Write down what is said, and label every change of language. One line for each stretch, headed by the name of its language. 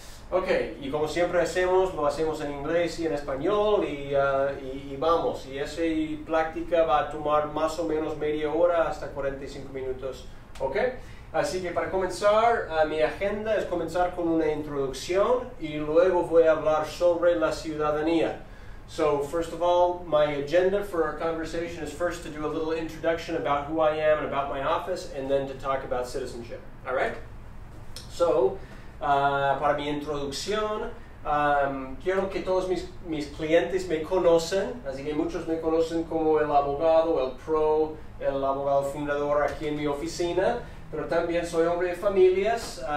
Spanish: Ok, y como siempre hacemos, lo hacemos en inglés y en español, y vamos. Y esa práctica va a tomar más o menos media hora hasta 45 minutos, ¿ok? Así que para comenzar, mi agenda es comenzar con una introducción y luego voy a hablar sobre la ciudadanía.
English: So, first of all, my agenda for our conversation is first to do a little introduction about who I am and about my office, and then to talk about citizenship, all right?
Spanish: So, para mi introducción, quiero que todos mis clientes me conocen, así que muchos me conocen como el abogado, el abogado fundador aquí en mi oficina, pero también soy hombre de familias.